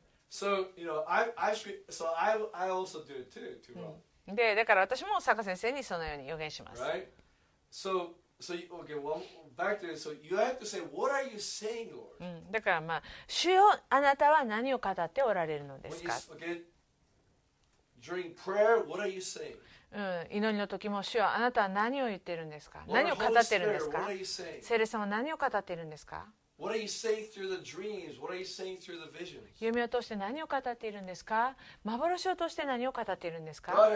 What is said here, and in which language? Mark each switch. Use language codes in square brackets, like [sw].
[en] So, you know, I also do it too, to Ron. [ja] で、だから私も坂先生にそのように予言します。 [en] Right? So, okay, well, back to it. So, you have to say, what are you saying, Lord? [ja] だからまあ、主よ、あなたは何を語っておられるのですか。 [en] When you, okay, during prayer, what are you saying? [ja] 祈りの時も主はあなたは何を言っているんですか、何を語っているんですか、聖霊様は何を語っているんですか、夢を通して何を語っているんですか、幻を通して何を語っているんですか。